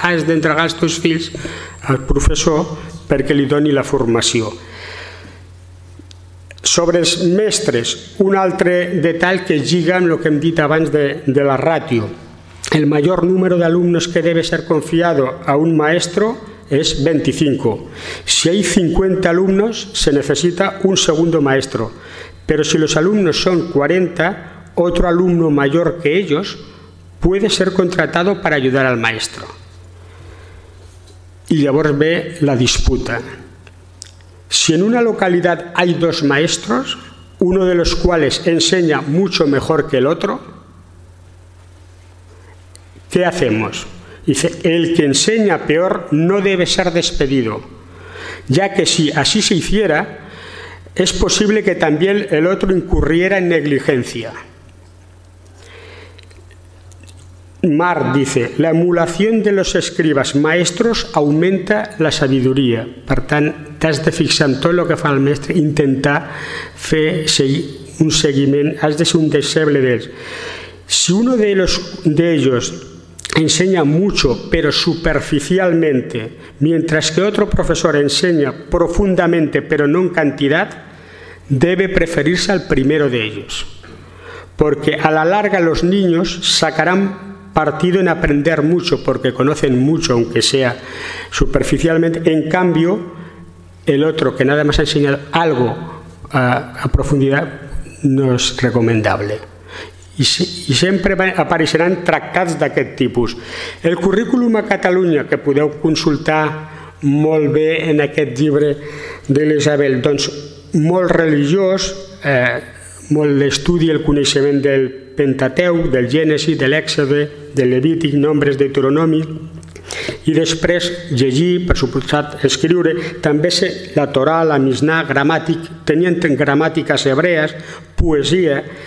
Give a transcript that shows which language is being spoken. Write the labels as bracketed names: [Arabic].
[Catalan] Has d'entregar els teus fills al professor perquè li doni la formació. Sobre els mestres, un altre detall que lliga amb el que hem dit abans de la ràtio. El major número d'alumnes [Spanish] que deve ser confiado a un maestro és 25. Si hay 50 alumnos, se necesita un segundo maestro. Pero si los alumnos son 40, otro alumno mayor que ellos puede ser contratado para ayudar al maestro. Y [Catalan] llavors ve la disputa. [Spanish] Si en una localidad hay dos maestros, uno de los cuales enseña mucho mejor que el otro, ¿qué hacemos? Dice, el que enseña peor no debe ser despedido, ya que si así se hiciera, es posible que también el otro incurriera en negligencia. Mar dice, la emulación de los escribas maestros aumenta la sabiduría. [Catalan] Per tant, t'has de fixar en tot el que fa el mestre, intentar fer un seguiment, has de ser un deixeble d'ells. [Spanish] Si uno de ellos enseña mucho, pero superficialmente, mientras que otro profesor enseña profundamente, pero no en cantidad, debe preferirse al primero de ellos. Porque a la larga los niños sacarán partido en aprender mucho, porque conocen mucho, aunque sea superficialmente. En cambio, el otro, que nada más ha enseñado algo a profundidad, no es recomendable. [Catalan] I sempre apareixeran tractats d'aquest tipus. El currículum a Catalunya, que podeu consultar molt bé en aquest llibre de l'Isabel, doncs molt religiós, molt d'estudi, el coneixement del Pentateuc, del Gènesi, de l'Èxode, del Levític, Nombres, Deuteronomi, i després llegir, per suposat escriure, també la Torà, la Misnà, gramàtic, tenien gramàtiques hebrees, poesia.